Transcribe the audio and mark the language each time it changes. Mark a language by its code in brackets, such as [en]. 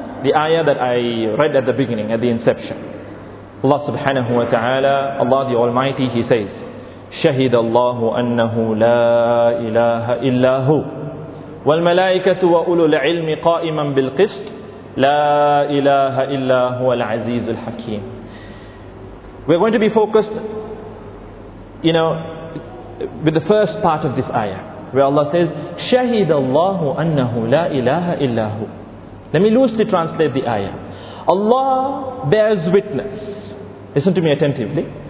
[en] The ayah that I read at the beginning, at the inception. Allah subhanahu wa ta'ala, Allah the Almighty, He says, [ar] شَهِدَ اللَّهُ أَنَّهُ لَا إِلَهَ إِلَّا هُوَ وَالْمَلَائِكَةُ وَأُولُو الْعِلْمِ قَائِمًا بِالْقِسْطِ لَا إِلَهَ إِلَّا هُوَ الْعَزِيزُ الْحَكِيمُ. [en] We're going to be focused, you know, with the first part of this ayah, where Allah says, [ar] شَهِدَ اللَّهُ أَنَّهُ لَا إِلَهَ إِلَّا هُوَ. [en] Let me loosely translate the ayah. Allah bears witness. Listen to me attentively.